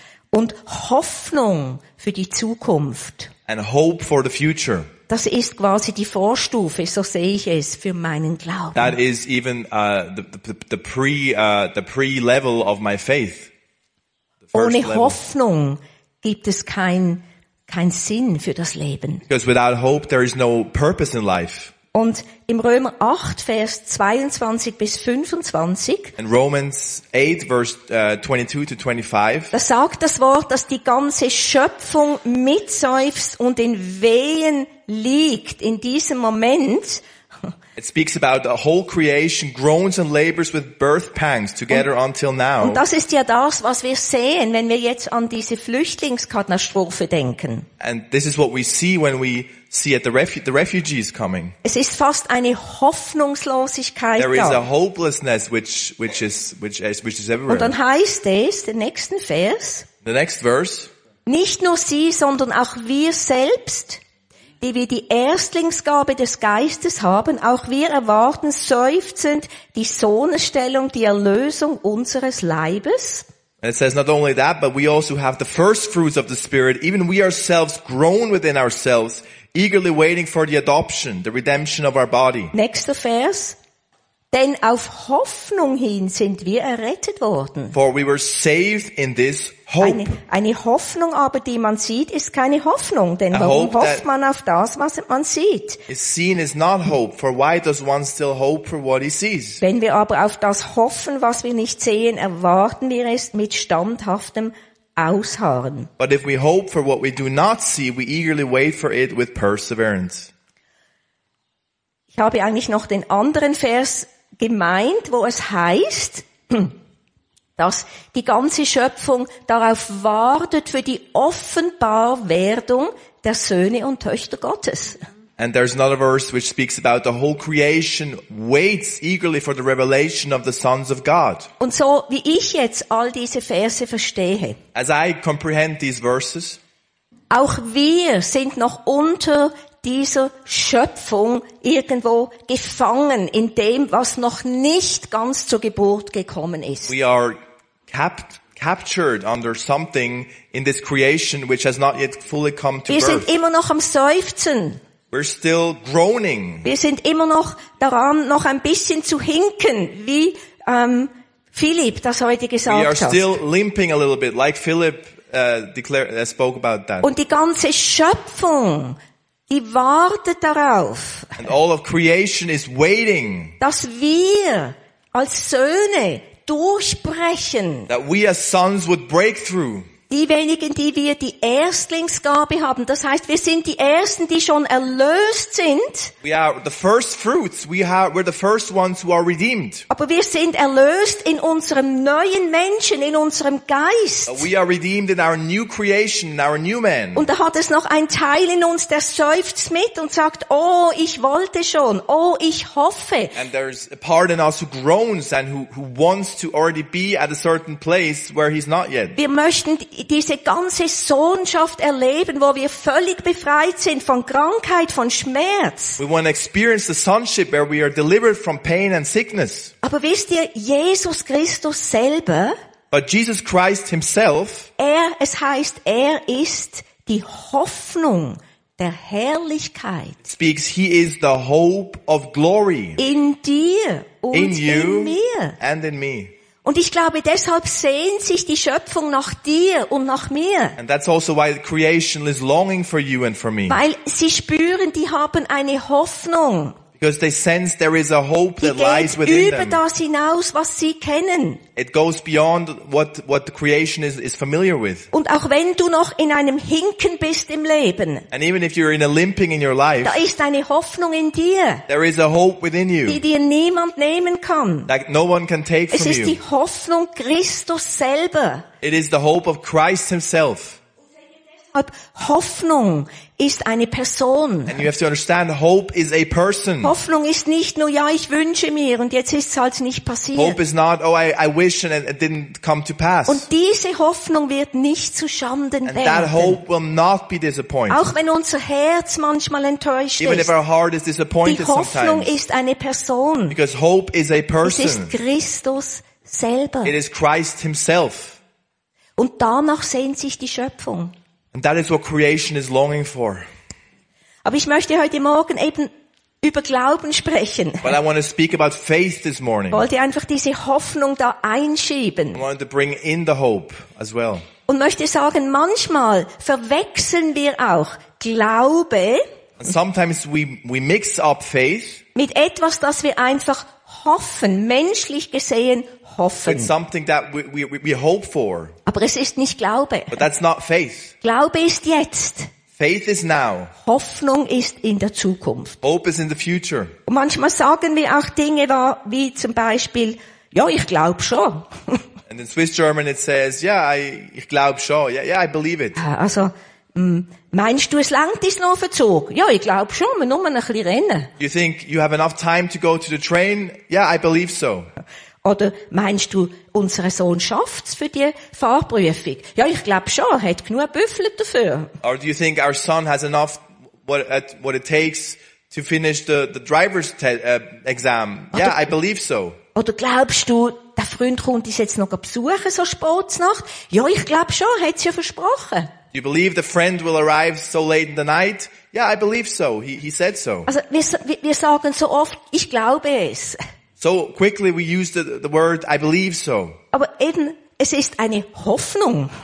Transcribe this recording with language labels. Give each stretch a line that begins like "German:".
German: Und Hoffnung für die Zukunft.
English: And hope for the future.
German: Das ist quasi die Vorstufe, so sehe ich es, für meinen Glauben.
English: That is even the pre-level of my faith.
German: Ohne Hoffnung gibt es kein Sinn für das Leben.
English: Because without hope there is no purpose in life.
German: Und im Römer 8, Vers 22 bis 25,
English: in Romans 8, Vers 22 to 25,
German: da sagt das Wort, dass die ganze Schöpfung mitseufzt und in Wehen liegt in diesem Moment.
English: It speaks about the whole creation groans and labors with birth pangs together until now.
German: Und das ist ja das, was wir sehen, wenn wir jetzt an diese Flüchtlingskatastrophe denken.
English: And this is what we see when we see at the refugees coming.
German: Es ist fast eine Hoffnungslosigkeit.
English: There is a hopelessness which is everywhere.
German: Und dann heißt es, den nächsten Vers.
English: The next verse.
German: Nicht nur sie, sondern auch wir selbst, die wir die Erstlingsgabe des Geistes haben, auch wir erwarten seufzend die Sohnestellung, die Erlösung unseres Leibes.
English: And it says not only that, but we also have the first fruits of the Spirit, even we ourselves groan within ourselves, eagerly waiting for the adoption, the redemption of our body.
German: Nächster Vers. Denn auf Hoffnung hin sind wir errettet worden.
English: For we were saved in this hope.
German: Eine Hoffnung aber, die man sieht, ist keine Hoffnung. Denn
English: a
German: warum hofft man auf das, was man sieht?
English: Is seen is not hope. For why does one still hope for what he sees?
German: Wenn wir aber auf das hoffen, was wir nicht sehen, erwarten wir es mit standhaftem Ausharren.
English: But if we hope for what we do not see, we eagerly wait for it with perseverance.
German: Ich habe eigentlich noch den anderen Vers gemeint, wo es heißt, dass die ganze Schöpfung darauf wartet für die Offenbarwerdung der Söhne und Töchter Gottes.
English: And there's another verse which speaks about the whole creation waits eagerly for the revelation of the sons of God.
German: Und so wie ich jetzt all diese Verse verstehe,
English: as I comprehend these verses,
German: auch wir sind noch unter dieser Schöpfung irgendwo gefangen in dem, was noch nicht ganz zur Geburt gekommen ist.
English: We are captured under something in this creation which has not yet fully come to birth.
German: Wir sind immer noch am Seufzen.
English: We're still groaning.
German: Wir sind immer noch daran, noch ein bisschen zu hinken, wie Philipp das heute gesagt
English: hat. We are still
German: hat.
English: Limping a little bit, like Philip spoke about that.
German: Und die ganze Schöpfung, die wartet darauf.
English: And all of creation is waiting.
German: Dass wir als Söhne durchbrechen.
English: That we as sons would break through.
German: Die wenigen, die wir die Erstlingsgabe haben, das heißt, wir sind die Ersten, die schon erlöst sind.
English: We are the first fruits. We're the first ones who are redeemed.
German: Aber wir sind erlöst in unserem neuen Menschen, in unserem Geist.
English: We are redeemed in our new creation, in our new man.
German: Und da hat es noch einen Teil in uns, der seufzt mit und sagt, oh, ich wollte schon, oh, ich hoffe.
English: And there's a part in us who groans and who wants to already be at a certain place where he's not yet.
German: Wir möchten diese ganze Sohnschaft erleben, wo wir völlig befreit sind von Krankheit, von Schmerz.
English: We want to experience the sonship where we are delivered from pain and sickness.
German: Aber wisst ihr, Jesus Christus selber,
English: but Jesus Christ himself,
German: es heißt, er ist die Hoffnung der Herrlichkeit.
English: It speaks, he is the hope of glory.
German: In dir und in
English: you
German: mir.
English: And in me.
German: Und ich glaube, deshalb sehnt sich die Schöpfung nach dir und nach mir.
English: And that's also why the creation is longing for you and for me.
German: Weil sie spüren, die haben eine Hoffnung.
English: Because they sense there is a hope that lies within them.
German: Die geht über das hinaus, was sie kennen.
English: It goes beyond what the creation is familiar with.
German: Und auch wenn du noch in einem Hinken bist im Leben.
English: And even if you're in a limping in your life.
German: Da ist eine Hoffnung in dir.
English: There is a hope within you.
German: Die dir niemand nehmen kann.
English: Like no one can take from you.
German: Es ist die Hoffnung Christus selber.
English: It is the hope of Christ himself.
German: Hoffnung ist eine Person.
English: And you have to understand, hope is a person.
German: Hoffnung ist nicht nur, ja, ich wünsche mir und jetzt ist es halt nicht passiert.
English: Hope is not, oh, I wish and it didn't come to pass.
German: Und diese Hoffnung wird nicht zu Schanden
English: and
German: werden.
English: That hope will not be disappointed.
German: Auch wenn unser Herz manchmal enttäuscht
English: even
German: ist.
English: If our heart is disappointed
German: die Hoffnung
English: sometimes.
German: Ist eine Person.
English: Because hope is a person.
German: Es ist Christus selber.
English: It is Christ himself.
German: Und danach sehnt sich die Schöpfung.
English: And that is what creation is longing for.
German: Aber ich möchte heute Morgen eben über Glauben sprechen.
English: But I want to speak about faith this morning.
German: Ich wollte einfach diese Hoffnung da einschieben.
English: I wanted to bring in the hope as well.
German: Und möchte sagen, manchmal verwechseln wir auch Glaube.
English: And sometimes we mix up faith.
German: Mit etwas, das wir einfach hoffen, menschlich gesehen hoffen.
English: With something that we hope for.
German: Aber es ist nicht Glaube.
English: But that's not faith.
German: Glaube ist jetzt.
English: Faith is now.
German: Hoffnung ist in der Zukunft.
English: Hope is in the future.
German: Und manchmal sagen wir auch Dinge wie zum Beispiel, ja, ich glaube schon.
English: And in Swiss German it says, yeah,
German: ich glaube schon.
English: Yeah, I believe it.
German: Also, meinst du, es langt ist noch für Zug? Ja, ich glaube schon, wir nur ein bisschen rennen.
English: You think you have enough time to go to the train? Yeah, I believe so.
German: Oder meinst du, unser Sohn schafft's für die Fahrprüfung? Ja, ich glaube schon, er hat genug Büffel dafür.
English: Or do you think our son has enough what it takes to finish the driver's exam? Yeah, I believe so.
German: Oder glaubst du, der Freund kommt uns jetzt noch besuchen, so spät nachts? Ja, ich glaube schon, er hat's ja versprochen.
English: You believe the friend will arrive so late in the night? Yeah, I believe so. He said so.
German: Also wir sagen so oft, ich glaube es.
English: So quickly we use the word I believe so.
German: Aber eben es ist eine Hoffnung.